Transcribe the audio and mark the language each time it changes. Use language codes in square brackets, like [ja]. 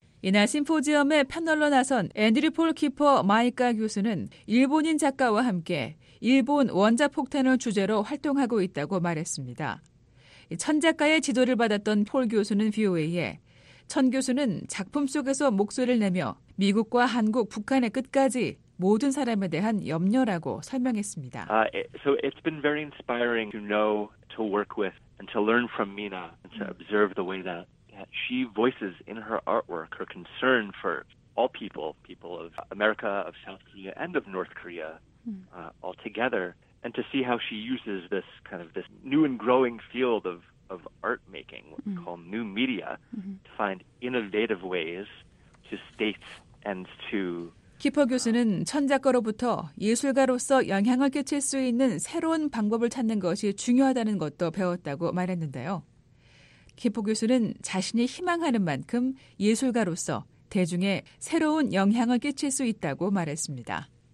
[ko] 이날 심포지엄에 패널로 나선 앤드류 폴 키퍼 마이카 교수는 일본인 작가와 함께 일본 원자폭탄을 주제로 활동하고 있다고 말했습니다. 천 작가의 지도를 받았던 폴 교수는 VOA에 천 교수는 작품 속에서 목소리를 내며 미국과 한국, 북한의 끝까지 모든 사람에 대한 염려라고 설명했습니다. [en] So it's been very inspiring to know, to work with, and to learn from Mina, and to observe the way that she voices in her artwork her concern for all people, people of America, of South Korea, and of North Korea. All together, and to see how she uses this kind of this new and growing field of art making, what we call new media, to find innovative ways to state and to. [ko] 키퍼 교수는 천 작가로부터 예술가로서 영향을 끼칠 수 있는 새로운 방법을 찾는 것이 중요하다는 것도 배웠다고 말했는데요. 키퍼 교수는 자신이 희망하는 만큼 예술가로서 대중에 새로운 영향을 끼칠 수 있다고 말했습니다.